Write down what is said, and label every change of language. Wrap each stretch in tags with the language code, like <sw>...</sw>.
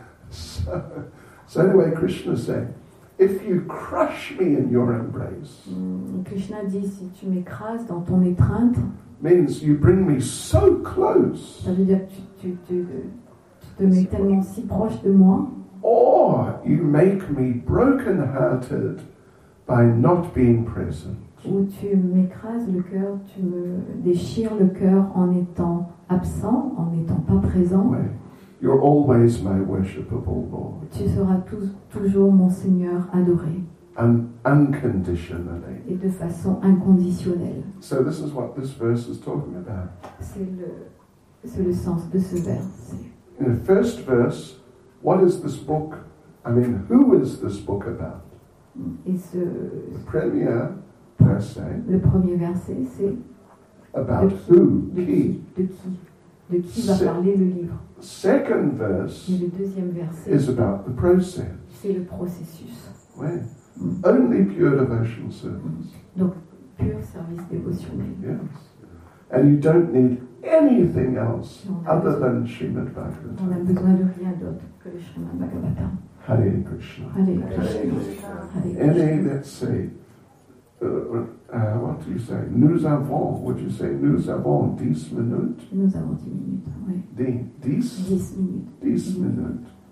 <en>So anyway, Krishna said, if you crush me in your embrace.</en> <fr>Krishna dit, si tu m'écrases dans ton étreinte.</fr> <en>Means you bring me so close.</en> <fr>Ça veut dire que tu te mets tellement si proche de moi.</fr> <en>Or you make me broken hearted by not being present.</en> <fr>Ou tu m'écrases le cœur, tu me déchires le cœur en étant absent, en n'étant pas présent.</fr> <en>Oui. You're always my worshipable Lord.</en> <fr>Tu seras toujours mon Seigneur adoré.</fr> <en>unconditionally.</en> <fr>Et de façon inconditionnelle.</fr> <en>So this is what this verse is talking about.</en> <fr>C'est le sens de ce verset.</fr> <en>In the first verse, what is this book? I mean, who is this book about?</en> <fr>Et ce, the premier verset. Le premier verset, c'est</fr> <en>about</en> <fr>de qui,</fr> <en>who?</en> <fr>De qui va parler le livre?</fr> <en>Second verse.</en> <fr>Et le deuxième verset</fr> <en>is about the process.</en> <fr>C'est le processus.</fr> <en>Ouais. Only pure devotional service.</en> <fr>Donc, pur service dévotionnel.</fr> <en>Yes. And you don't need anything else other than Srimad Bhagavatam.</en> <fr>On n'a besoin de rien d'autre que le Srimad Bhagavatam. Hare Krishna. Hare Krishna.</fr> <en>Any, let's say, what do you say?</en> <fr>Nous avons,</fr> <en>would you say,</en> <fr>nous avons 10 minutes? Nous avons 10 minutes, oui. 10 minutes. 10 minutes.</fr>